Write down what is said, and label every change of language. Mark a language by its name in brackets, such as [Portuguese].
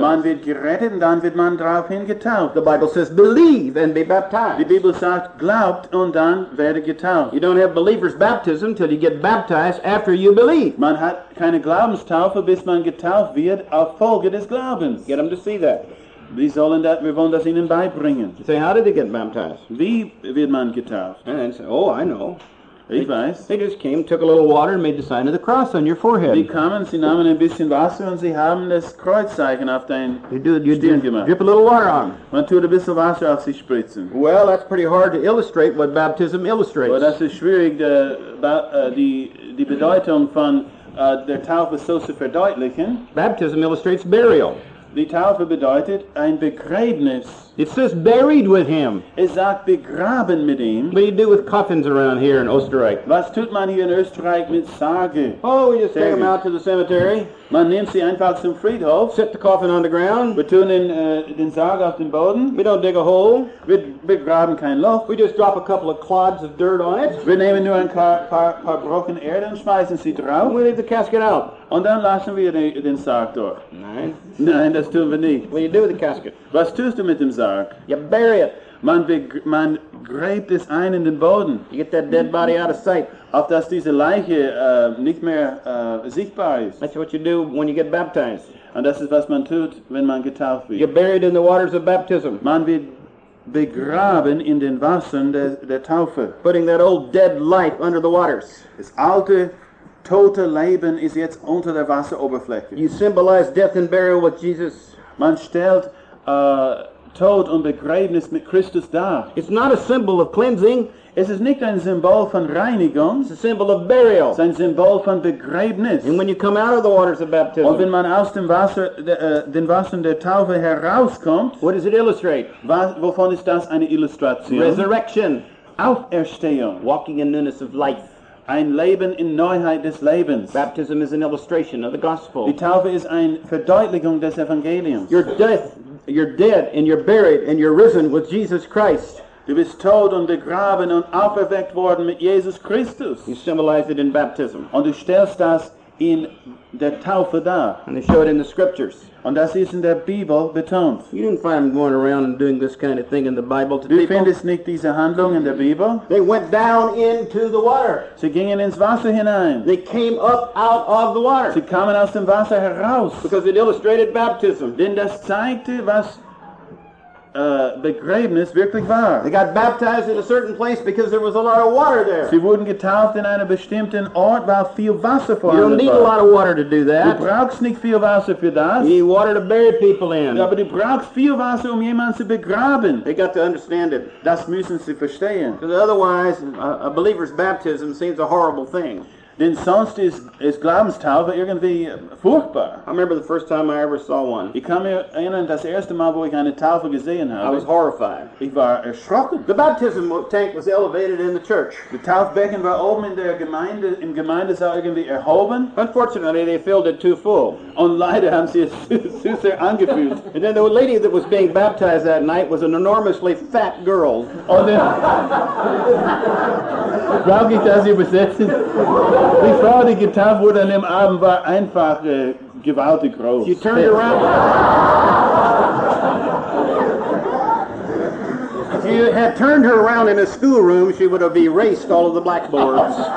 [German] Man wird gerettet und dann wird man daraufhin getauft. [English] The Bible says, believe and be baptized. [German] Die Bibel sagt, glaubt und dann werde getauft. [English] You don't have believer's baptism until you get baptized after you believe. [German] Man hat keine Glaubenstaufe, bis man getauft wird auf Folge des Glaubens. [English] Get them to see that. [German] Wir sollen das, wir wollen das ihnen beibringen. [English] Say, how did they get baptized? [German] Wie wird man getauft? [English] And then say, oh, I know. [German] Ich weiß. [English] They just came, took a little water and made the sign of the cross on your forehead. [German] Die kamen, sie nahmen ein bisschen Wasser und sie haben das Kreuzzeichen auf dein Stirn gemacht. [English] Drip a little water on. [German] Man tut ein bisschen Wasser auf sich spritzen. [English] Well, that's pretty hard to illustrate what baptism illustrates. [German] Well, das ist schwierig, die Bedeutung von der Taufe so zu verdeutlichen. [English] Baptism illustrates burial. [German] Die Taufe bedeutet ein Begräbnis. [English] It says buried with him. [German] Es sagt begraben mit ihm. [English] What do you do with coffins around here in Österreich? [German] Was tut man hier in Österreich mit Särgen? [English] Oh, we just take them out to the cemetery. [German] Man nimmt sie einfach zum Friedhof. [English] Set the coffin on the ground. [German] Wir tun den Sarg auf den Boden. [English] We don't dig a hole. [German] Wir begraben kein Loch. [English] We just drop a couple of clods of dirt on it. [German] Wir nehmen nur ein paar brocken Erde und schmeißen sie drauf. [English] We leave the casket out. [German] Und dann lassen wir den Sarg durch. Nein. Nein, das tun wir nicht. [English] What do you do with the casket? [German] Was tust du mit dem Sarg? [English] You bury it. [German] man gräbt es ein in den Boden. [English] You get that dead body out of sight. [German] Auf dass diese Leiche nicht mehr sichtbar ist. [English] That's what you do when you get baptized. [German] Und das ist was man tut, wenn man getauft wird. [English] You're buried in the waters of baptism. [German] Man wird begraben in den Wassern der Taufe. [English] Putting that old dead life under the waters. [German] Das alte tote Leben ist jetzt unter der Wasseroberfläche. [English] You symbolize death and burial with Jesus. [German] Man stellt Tod und Begräbnis mit Christus dar. [English] It's not a symbol of cleansing. [German] Es ist nicht ein Symbol von Reinigung. [English] It's a symbol of burial. [German] Es ist ein Symbol von Begräbnis. [English] And when you come out of the waters of baptism, [German] und wenn man aus dem Wasser, den Wassern der Taufe herauskommt, [English] what does it illustrate? [German] Wovon ist das eine Illustration? [English] Resurrection. [German] Auferstehung. [English] Walking in newness of life. [German] Ein Leben in Neuheit des Lebens. [English] Baptism is an illustration of the gospel. [German] Die Taufe ist eine Verdeutlichung des Evangeliums. [English] You're dead and you're buried and you're risen with Jesus Christ. [German] Du bist tot und begraben und auferweckt worden mit Jesus Christus. [English] You symbolize it in baptism. [German] Und du stellst das in der Taufe da. [English] And they show it in the scriptures. [German] Und das ist in der Bibel betont. [English] You didn't find them going around and doing this kind of thing in the Bible to [German] du [English] people. [German] Du findest nicht diese Handlung in der Bibel. [English] They went down into the water. [German] Sie gingen ins Wasser hinein. [English] They came up out of the water. [German] Sie kamen aus dem Wasser heraus. [English] Because it illustrated baptism. [German] Denn das zeigte, was Begräbnis wirklich war. [English] They got baptized in a certain place because there was a lot of water there. [German] Sie wurden getauft in einem bestimmten Ort, weil viel Wasser vorhanden [English] war. You don't need a lot of water to do that. [German] Du brauchst nicht viel Wasser für das. [English] You need water to bury people in. [German] Ja, aber du brauchst viel Wasser, jemanden zu begraben. [English] They got to understand it. [German] Das müssen sie verstehen. [English] Because otherwise, a believer's baptism seems a horrible thing. [German] Denn sonst ist Glaubenstaufe irgendwie furchtbar. [English] I remember the first time I ever saw one. [German] Ich kann mir erinnern, das erste Mal, wo ich eine Taufe gesehen habe. [English] I was horrified. [German] Ich war erschrocken. [English] The baptism tank was elevated in the church. [German] Der Taufbecken war oben in der Gemeinde, im Gemeindesaal irgendwie erhoben. [English] Unfortunately, they filled it too full. [German] Und leider haben sie es zu sehr angefüllt. [English] And then the lady that was being baptized that night was an enormously fat girl. [German] Und dann glaub ich, dass sie besetzen. Die Frau, die getauft wurde an dem Abend, war einfach gewaltig groß. [English] She turned around. If you had turned her around in a schoolroom, she would have erased all of the blackboards.